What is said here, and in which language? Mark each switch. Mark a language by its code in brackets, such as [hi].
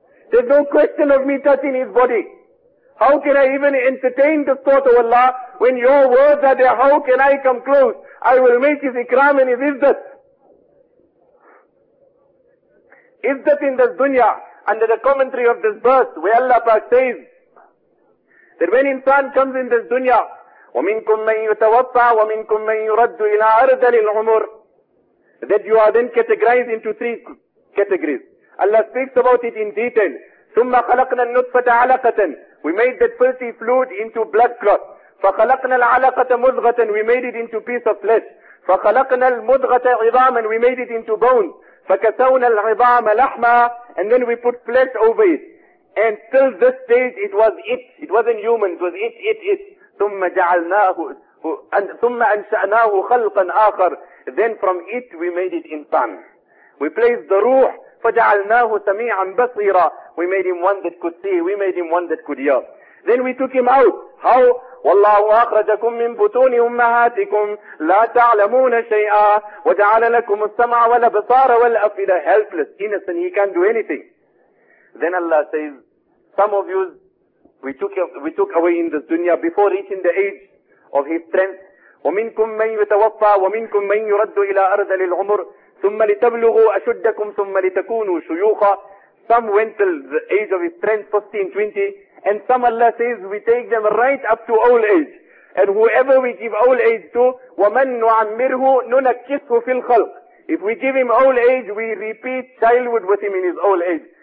[en] There's no question of me touching his body. How can I even entertain the thought of Allah when your words are there? How can I come close? I will make his ikram and his izzat. Izzat in this dunya, under the commentary of this verse, where Allah says, that when insan comes in this dunya, [ar] ومنكم من يتوفى ومنكم من يرد الى ارذل العمر. [en] That you are then categorized into three categories. Allah speaks about it in detail. [ar] ثم خلقنا النطفة علقة. [en] We made that filthy fluid into blood clot. [ar] فخلقنا العلقة مضغة. [en] We made it into piece of flesh. [ar] فخلقنا المضغة عظاما. [en] We made it into bones. [ar] فكسونا العظام لحما. [en] And then we put flesh over it. And till this stage it was it. It wasn't human. It was it, it, it. [ar] ثم جعلناه ثم أنشأناه خلقا آخر. [en] Then from it we made it insan. We placed the ruh. [ar] فجعلناه سميعا بصيرا. [en] We made him one that could see. We made him one that could hear. Then we took him out. How? [ar] والله أخرجكم من بطون أمهاتكم لا تعلمون شيئا وجعل لكم السمع والأبصار والأفئدة. [en] Helpless, innocent, he can't do anything. Then Allah says, some of you we took away in this dunya before reaching the age of his strength. [ar] ومنكم من يتوفى ومنكم من يرد إلى أرض للعمر ثم لتبلغوا أشدكم ثم لتكونوا شيوخا. [en] Some went till the age of his strength, 15, 20. And some Allah says, we take them right up to old age. And whoever we give old age to, [ar] وَمَن نُعَمِّرْهُ نُنَكِّسْهُ فِي الْخَلْقِ. [en] If we give him old age, we repeat childhood with him in his old age.